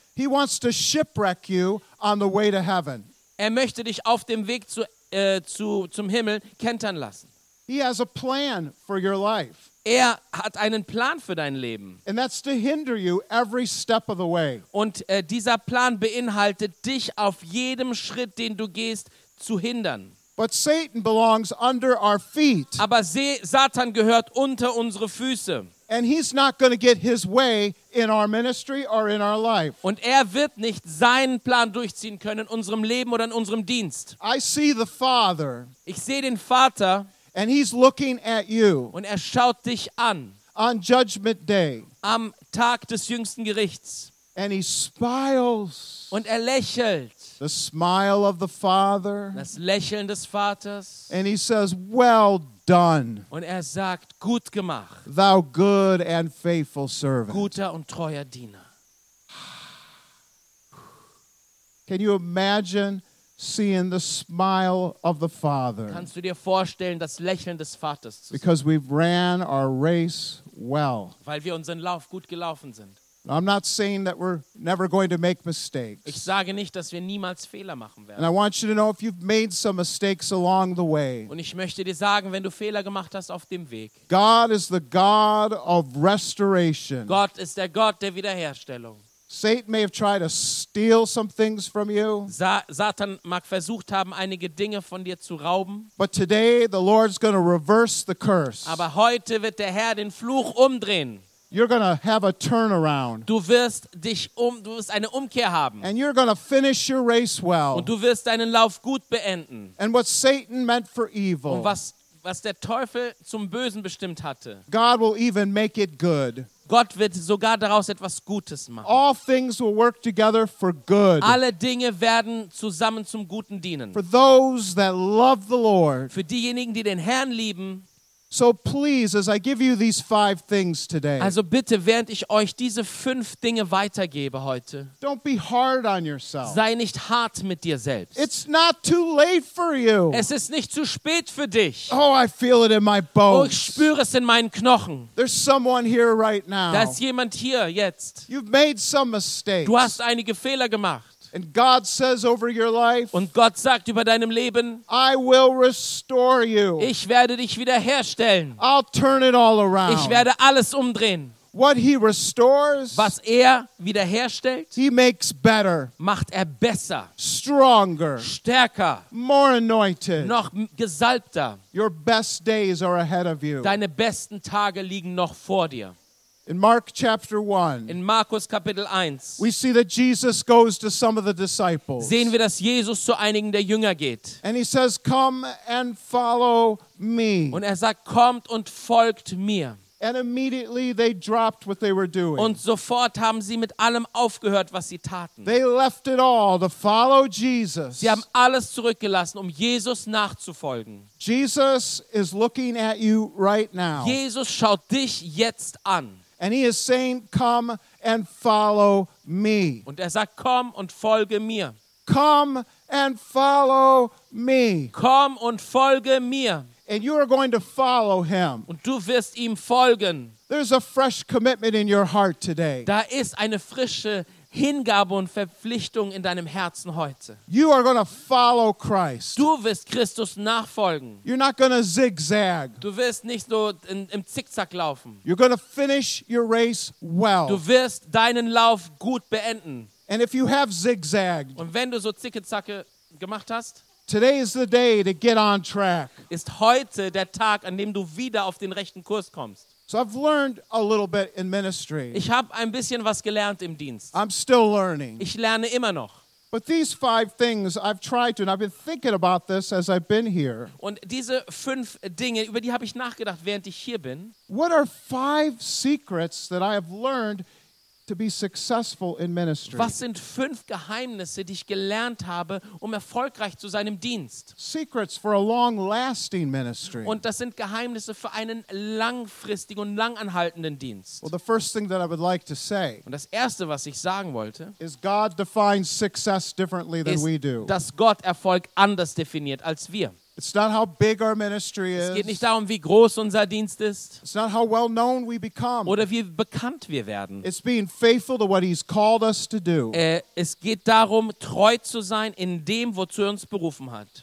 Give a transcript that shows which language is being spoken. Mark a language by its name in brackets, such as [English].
[English] He wants to shipwreck you on the way to heaven. [German] Er möchte dich auf dem Weg zum Himmel kentern lassen. [English] He has a plan for your life. [German] Er hat einen Plan für dein Leben. [English] And that's to hinder you every step of the way. [German] Und dieser Plan beinhaltet dich auf jedem Schritt, den du gehst, zu hindern. [English] But Satan belongs under our feet. [German] Aber Satan gehört unter unsere Füße. [English] And he's not going to get his way in our ministry or in our life. [German] Und er wird nicht seinen Plan durchziehen können in unserem Leben oder in unserem Dienst. [English] I see the Father. [German] Ich sehe den Vater. [English] And he's looking at you. [German] Und er schaut dich an. [English] On judgment day. [German] Am Tag des jüngsten Gerichts. [English] And he smiles. [German] Und er lächelt. [English] The smile of the Father. [German] Das Lächeln des Vaters. [English] And he says, "Well done." [German] Und er sagt, gut gemacht. [English] Thou good and faithful servant. [German] Guter und treuer Diener. [English] Can you imagine seeing the smile of the Father? [German] Kannst du dir vorstellen, das Lächeln des Vaters zu sehen? [English] Because we've ran our race well. [German] Weil wir unseren Lauf gut gelaufen sind. [English] I'm not saying that we're never going to make mistakes. [German] Ich sage nicht, dass wir niemals Fehler machen werden. [English] And I want you to know if you've made some mistakes along the way. [German] Und ich möchte dir sagen, wenn du Fehler gemacht hast auf dem Weg. [English] God is the God of restoration. [German] Gott ist der Gott der Wiederherstellung. [English] Satan may have tried to steal some things from you. [German] Satan mag versucht haben, einige Dinge von dir zu rauben. [English] But today the Lord's going to reverse the curse. [German] Aber heute wird der Herr den Fluch umdrehen. [English] You're going to have a turnaround. [German] Du wirst eine Umkehr haben. [English] And you're going to finish your race well. [German] Und du wirst deinen Lauf gut beenden. [English] And what Satan meant for evil. [German] Und was der Teufel zum Bösen bestimmt hatte. [English] God will even make it good. [German] Gott wird sogar daraus etwas Gutes machen. [English] All things will work together for good. [German] Alle Dinge werden zusammen zum Guten dienen. [English] For those that love the Lord. [German] Für diejenigen, die den Herrn lieben. [English] So please, as I give you these five things today. [German] Also bitte, während ich euch diese fünf Dinge weitergebe heute. [English] Don't be hard on yourself. [German] Sei nicht hart mit dir selbst. [English] It's not too late for you. [German] Es ist nicht zu spät für dich. [English] Oh, I feel it in my bones. [German] Oh, ich spüre es in meinen Knochen. [English] There's someone here right now. [German] Da ist jemand hier jetzt. [English] You've made some mistakes. [German] Du hast einige Fehler gemacht. [English] And God says over your life, [German] und Gott sagt über deinem Leben, [English] I will restore you. [German] Ich werde dich wiederherstellen. [English] I'll turn it all around. [German] Ich werde alles umdrehen. [English] What he restores, [German] was er wiederherstellt, [English] he makes better, [German] macht er besser, [English] stronger, [German] stärker, [English] more anointed, [German] noch gesalbter. [English] Your best days are ahead of you. [German] Deine besten Tage liegen noch vor dir. [English] In Mark chapter 1. [German] In Markus Kapitel 1. [English] We see that Jesus goes to some of the disciples. [German] Sehen wir, dass Jesus zu einigen der Jünger geht. [English] And he says, "Come and follow me." [German] Und er sagt, kommt und folgt mir. [English] And immediately they dropped what they were doing. [German] Und sofort haben sie mit allem aufgehört, was sie taten. [English] They left it all to follow Jesus. [German] Sie haben alles zurückgelassen, um Jesus nachzufolgen. [English] Jesus is looking at you right now. [German] Jesus schaut dich jetzt an. [English] And he is saying, "Come and follow me." [German] Und er sagt, komm und folge mir. [English] Come and follow me. [German] Komm und folge mir. [English] And you are going to follow him. [German] Und du wirst ihm folgen. [English] There's a fresh commitment in your heart today. [German] Da ist eine frische Hingabe und Verpflichtung in deinem Herzen heute. [English] You are going to follow Christ. [German] Du wirst Christus nachfolgen. [English] You're not going to zigzag. [German] Du wirst nicht nur im Zickzack laufen. [English] You're going to finish your race well. [German] Du wirst deinen Lauf gut beenden. [English] And if you have zigzagged, [German] und wenn du so Zickzacke gemacht hast, [English] today is the day to get on track. [German] Ist heute der Tag, an dem du wieder auf den rechten Kurs kommst. [English] So I've learned a little bit in ministry. [German] Ich habe ein bisschen was gelernt im Dienst. [English] I'm still learning. [German] Ich lerne immer noch. [English] But these five things I've tried to, and I've been thinking about this as I've been here. [German] Und diese fünf Dinge, über die habe ich nachgedacht, während ich hier bin. [English] What are five secrets that I have learned to be successful in ministry? [German] Was sind fünf Geheimnisse, die ich gelernt habe, um erfolgreich zu sein im Dienst? [English] Secrets for a long-lasting ministry. [German] Und das sind Geheimnisse für einen langfristigen und langanhaltenden Dienst. [English] Well, the first thing that I would like to say, [German] und das erste, was ich sagen wollte, [English] is God defines success differently than we do. [German] Dass Gott Erfolg anders definiert als wir. [English] It's not how big our ministry is. [German] Es geht nicht darum, wie groß unser Dienst ist. [English] It's not how well known we become. [German] Oder wie bekannt wir werden. [English] It's being faithful to what he's called us to do. [German] Es geht darum, treu zu sein in dem, wozu er uns berufen hat.